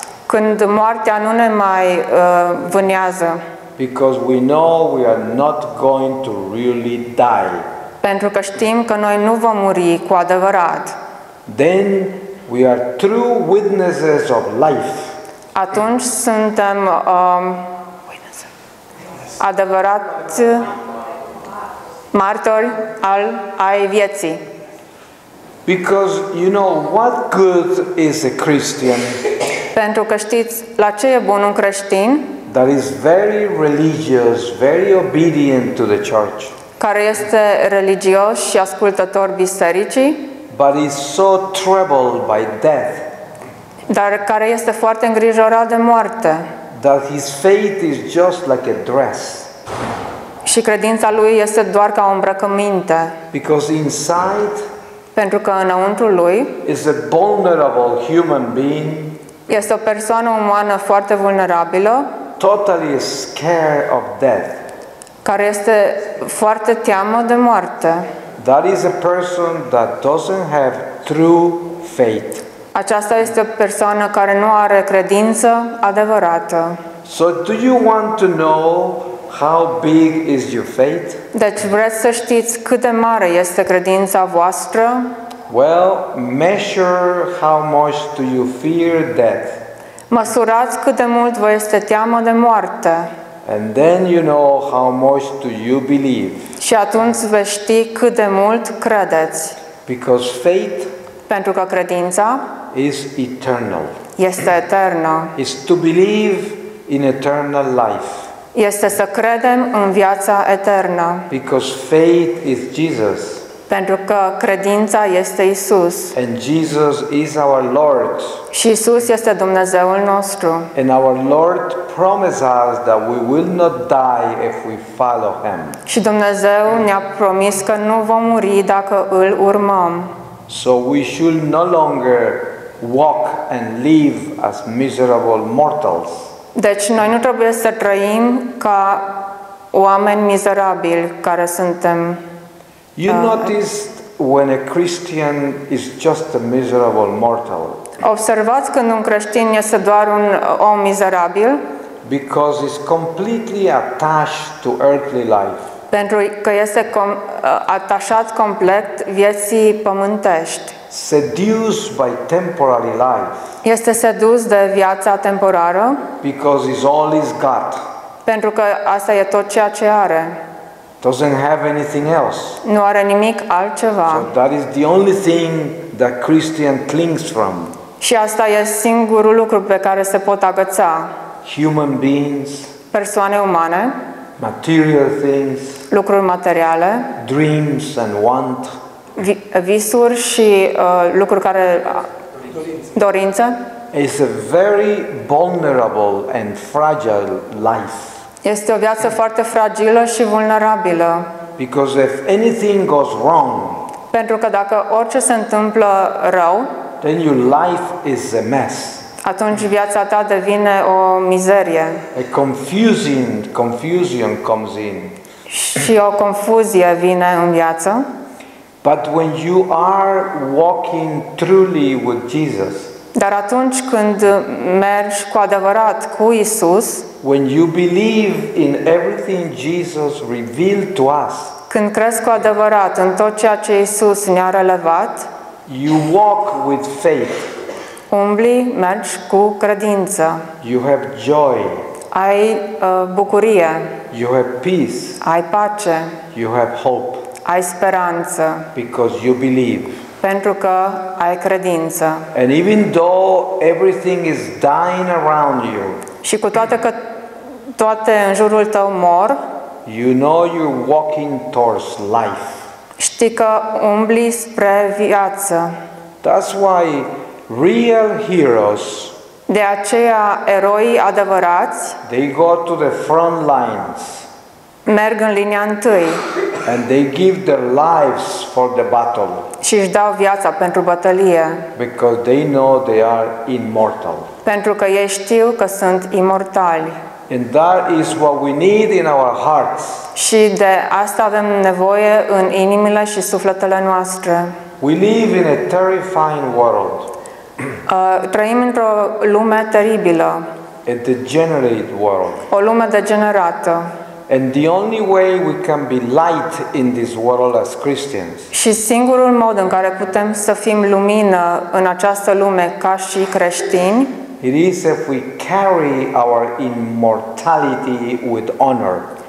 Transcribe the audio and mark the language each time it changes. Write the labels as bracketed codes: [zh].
[ro] Când moartea nu ne mai vânează. [en] Because we know we are not going to really die. [ro] Pentru că știm că noi nu vom muri cu adevărat. [en] Then we are true witnesses of life. [ro] Atunci suntem adevărat martori ai vieții. [en] Because you know what good is a Christian? [ro] Pentru că știți la ce e bun un creștin? [en] That is very religious, very obedient to the church. [ro] Care este religios și ascultător bisericii. [en] But is so troubled by death. [ro] Dar care este foarte îngrijorat de moarte. [en] That his faith is just like a dress. [ro] Și credința lui este doar ca o îmbrăcăminte. [en] Because inside, [ro] pentru că înăuntru lui, [en] is a vulnerable human being. [ro] Este o persoană umană foarte vulnerabilă. [en] Totally scared of death. [ro] Care este foarte teamă de moarte. [en] That is a person that doesn't have true faith. [ro] Aceasta este o persoană care nu are credință adevărată. [en] So do you want to know how big is your faith? [ro] Deci vreți să știți cât de mare este credința voastră? [en] Well, measure how much do you fear death. [ro] Măsurați cât de mult vă este teamă de moarte. [en] And then you know how much do you believe. [ro] Și atunci veți ști cât de mult credeți. [en] Because faith, [ro] pentru că credința, [en] is eternal. [ro] Este eternă. [en] Is to believe in eternal life. [ro] Este să credem în viața eternă. [en] Because faith is Jesus. [ro] Pentru că credința este Isus. [en] And Jesus is our Lord. [ro] Și Isus este Dumnezeul nostru. [en] And our Lord promised us that we will not die if we follow him. [ro] Și Dumnezeu ne-a promis că nu vom muri dacă îl urmăm. [en] So we should no longer walk and live as miserable mortals. [ro] Deci noi nu trebuie să trăim ca oameni mizerabili care suntem. [en] You notice when a Christian is just a miserable mortal. [ro] Observați când un creștin este doar un om mizerabil? [en] Because he's completely attached to earthly life. [ro] Pentru că este atașat complet vieții pământești. [en] Seduced by temporary life. [ro] Este sedus de viața temporară? [en] Because he's all he's got. [ro] Pentru că asta e tot ceea ce are. [en] Doesn't have anything else. [ro] Nu are nimic altceva. [en] So that is the only thing that Christian clings from. [ro] Și asta e singurul lucru pe care se pot agăța. [en] Human beings. [ro] Persoane umane. [en] Material things. [ro] Lucruri materiale. [en] Dreams and want. [ro] Visuri și lucruri care dorință. [en] It's a very vulnerable and fragile life. [ro] Este o viață foarte fragilă și vulnerabilă. [en] Because if anything goes wrong, [ro] pentru că dacă orice se întâmplă rău, [en] then your life is a mess. [ro] Atunci viața ta devine o mizerie. [en] A confusion comes in. [ro] Și o confuzie vine în viață. [en] But when you are walking truly with Jesus, [ro] dar atunci când mergi cu adevărat cu Isus, [en] when you believe in everything Jesus revealed to us, [ro] când crezi cu adevărat în tot ceea ce Isus ne-a revelat, [en] you walk with faith. [ro] Umbli, mergi cu credință. [en] You have joy. [ro] Ai bucurie. [en] You have peace. [ro] Ai pace. [en] You have hope. [ro] Ai speranță. [en] Because you believe. [ro] Pentru că ai credință. [en] And even though everything is dying around you, [ro] și cu toate că toate în jurul tău mor, [en] you know you're walking towards life. [ro] Știi că umbli spre viață. [en] That's why real heroes, [ro] De aceea, eroii adevărați, [en] they go to the front lines. [ro] Merg în linia întâi. [en] And they give their lives for the battle. [ro] Și își dau viața pentru bătălie. [en] Because they know they are immortal. [ro] Pentru că ei știu că sunt imortali. [en] And that is what we need in our hearts. [ro] Și de asta avem nevoie în inimile și sufletele noastre. [en] We live in a terrifying world. [ro] Trăim într-o lume teribilă. [en] A degenerate world. [ro] O lume degenerată. [en] And the only way we can be light in this world as Christians. [ro] Și singurul mod în care putem să fim lumină în această lume ca și creștini. [en] It is if we carry our immortality with honor.